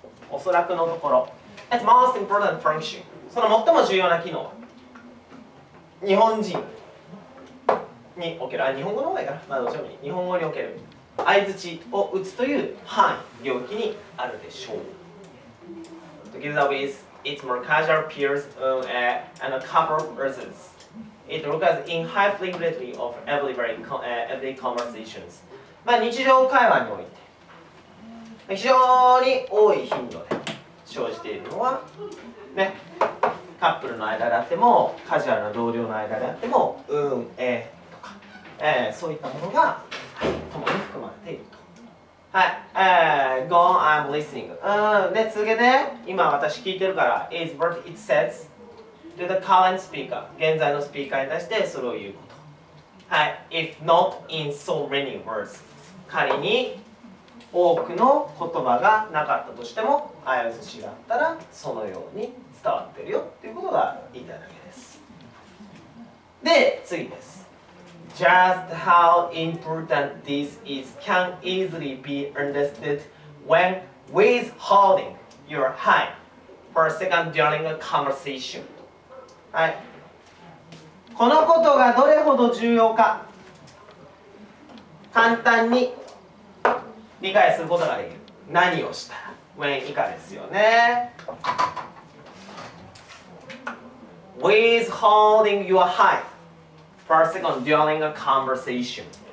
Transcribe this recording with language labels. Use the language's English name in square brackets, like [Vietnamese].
[Japanese] おそらくのところ。 [English] It's most important function。 [Japanese] その最も重要な機能は。日本人。における、あ、日本語の方がいいかな、まあどうしようもいい、日本語における相づちを打つという範囲、領域にあるでしょう。 [English] Together with its more casual peers and a couple of reasons. It occurs in high frequency of everyday conversations. [Japanese] まあ日常会話において非常に多い頻度で生じているのはね、カップルの間であっても、カジュアルな同僚の間であっても、そういったものが共に含まれていると。 [English] はい。Go on, I'm listening. [Japanese] で、続けて、今私聞いてるから、 [English] is what it says to the current speaker. [Japanese] 現在のスピーカーに対してそれを言うこと。はい。 [English] If not in so many words. [Japanese] 仮に多くの言葉がなかったとしても、相づちがあったらそのように伝わってるよっていうことが言いたいだけです。で、次です。 [English] Just how important this is can easily be understood when withholding your hand for a second during a conversation. [Japanese] はい。このことがどれほど重要か、簡単に理解することができる。何をしたら、when以下ですよね。 [English] withholding your hand. For a second, during a conversation.